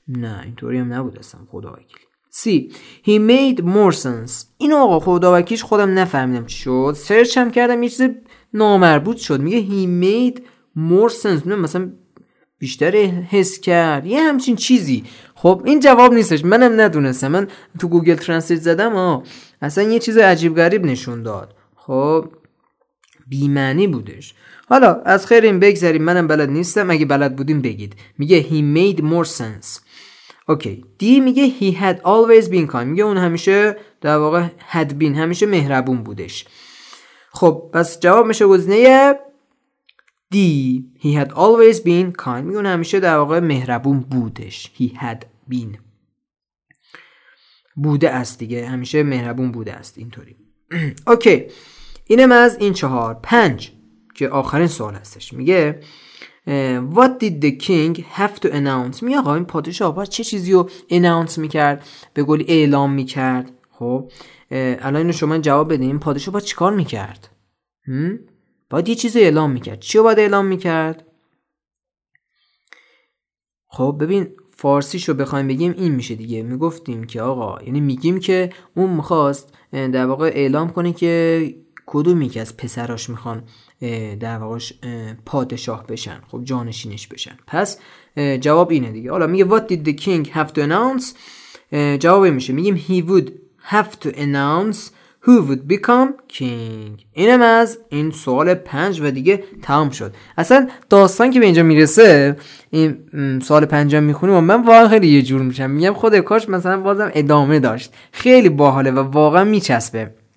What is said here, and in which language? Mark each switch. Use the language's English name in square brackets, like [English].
[Persian] نه اینطوری هم نبود اصلا خدا وکیلی. سی [English] he made more sense، [Persian] اینو آقا خدا وکیلش خودم نفهمیدم چی شد، سرچ هم کردم یه چیز نامربوط شد، میگه he made more sense، میگه مثلا بیشتر حس کرد، یه همچین چیزی. خب این جواب نیستش، منم ندونستم، من تو گوگل ترنسلیت زدم اصلا یه چیز عجیب غریب نشون داد، خب بی‌معنی بودش. حالا از خیر این بگذاریم، منم بلد نیستم، اگه بلد بودیم بگید. میگه [English] he made more sense. [Persian] اوکی دی میگه [English] he had always been kind، [Persian] میگه اون همیشه در واقع had been، همیشه مهربون بودش. خب پس جواب میشه گزینه D. [English] He had always been kind. [Persian] میگونه همیشه در واقع مهربون بودش. [English] He had been. [Persian] بوده است دیگه. همیشه مهربون بوده است. اینطوری. اوکی. اینم از این چهار. پنج. که آخرین سوال هستش. میگه [English] What did the king have to announce? [Persian] میگه آقا این پادشاه باید چه چیزی رو announce میکرد؟ به گلی اعلام میکرد. خب. الان اینو شما جواب بدین. این پادشاه باید چی کار میکرد؟ باید یه چیز رو اعلام میکرد. چی رو باید اعلام میکرد؟ خب ببین فارسیش رو بخوایم بگیم این میشه دیگه. میگفتیم که آقا یعنی میگیم که اون میخواست در واقع اعلام کنه که کدومی که از پسراش میخوان در واقع پادشاه بشن. خب جانشینش بشن. پس جواب اینه دیگه. حالا میگه [English] What did the king have to announce؟ [Persian] جواب این میشه. میگیم [English] He would have to announce Who would become king؟ [Persian] اینم از این سوال پنج و دیگه تمام شد. اصلا داستان که به اینجا میرسه این سوال پنجم میخونیم و من واقعا خیلی یه جور میشم. میگم خدای کاش مثلا بازم ادامه داشت. خیلی باحاله و واقعا میچسبه.